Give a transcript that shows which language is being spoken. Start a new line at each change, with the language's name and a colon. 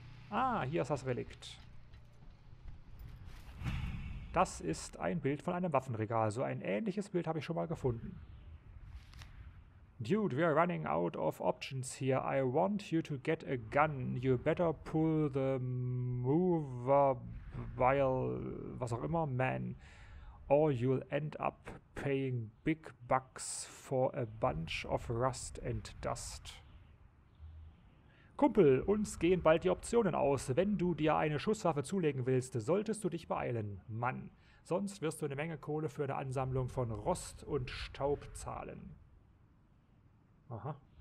German: Ah, hier ist das Relikt. Das ist ein Bild von einem Waffenregal. So ein ähnliches Bild habe ich schon mal gefunden.
English: Dude, we are running out of options here. I want you to get a gun. You better pull the movable,
German: was auch immer,
English: man. Or you'll end up paying big bucks for a bunch of rust and dust.
German: Kumpel, uns gehen bald die Optionen aus. Wenn du dir eine Schusswaffe zulegen willst, solltest du dich beeilen, Mann. Sonst wirst du eine Menge Kohle für eine Ansammlung von Rost und Staub zahlen. Aha.